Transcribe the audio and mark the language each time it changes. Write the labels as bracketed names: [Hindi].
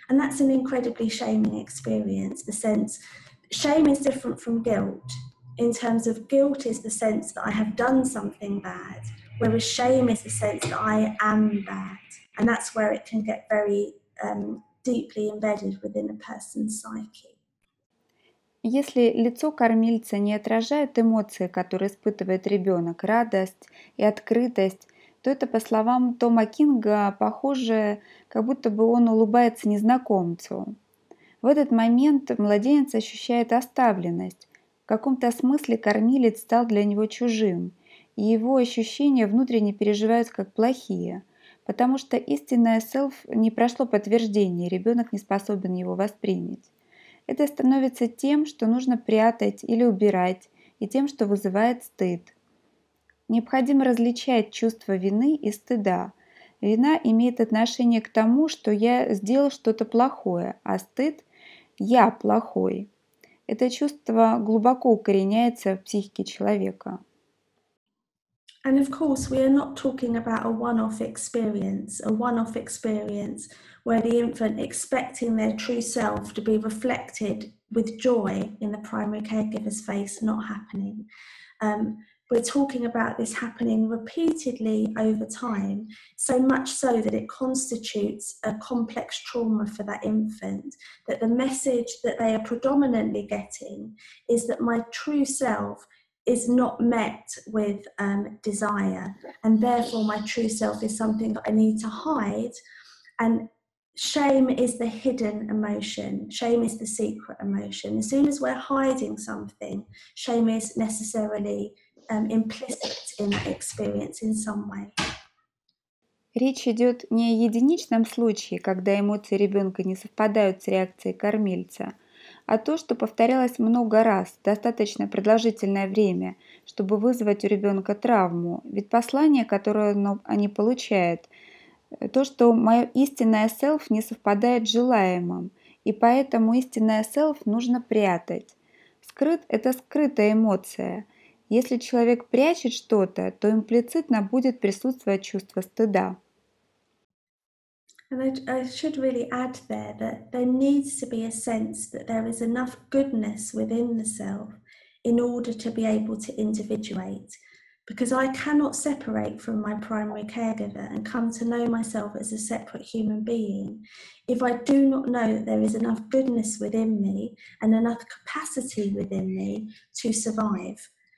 [English] And that's an incredibly shaming experience. The sense, shame is different from guilt. In terms of guilt is the sense that I have done something bad, whereas shame is the sense that I am bad. And that's where it can get very deeply embedded within a person's psyche. [Russian] Если лицо кормильца не отражает эмоции, которые испытывает ребенок, радость и открытость, то это, по словам Тома Кинга, похоже, как будто бы он улыбается незнакомцу. В этот момент младенец ощущает оставленность. В каком-то смысле кормилец стал для него чужим, и его ощущения внутренне переживаются как плохие, потому что истинное self не прошло подтверждение, ребенок не способен его воспринять. Это становится тем, что нужно прятать или убирать, и тем, что вызывает стыд. Необходимо различать чувство вины и стыда. Вина имеет отношение к тому, что я сделал что-то плохое, а стыд – я плохой. Это чувство глубоко укореняется в психике человека. [English] And of course, we are not talking about a one-off experience where the infant expecting their true self to be reflected with joy in the primary caregiver's face, not happening. We're talking about this happening repeatedly over time, so much so that it constitutes a complex trauma for that infant, that the message that they are predominantly getting is that my true self is not met with desire, and therefore my true self is something that I need to hide. And shame is the hidden emotion. Shame is the secret emotion. As soon as we're hiding something, shame is necessarily implicit in that experience in some way. [Russian] Речь идет не о единичном случае, когда эмоции ребенка не совпадают с реакцией кормильца, а то, что повторялось много раз, достаточно продолжительное время, чтобы вызвать у ребенка травму. Ведь послание, которое они получают, то, что мое истинное селф не совпадает с желаемым, и поэтому истинное селф нужно прятать. Скрыт – это скрытая эмоция. Если человек прячет что-то, то имплицитно будет присутствовать чувство стыда. [English] And I should really add there that there needs to be a sense that there is enough goodness within the self in order to be able to individuate. Because I cannot separate from my primary caregiver and come to know myself as a separate human being if I do not know that there is enough goodness within me and enough capacity within me to survive.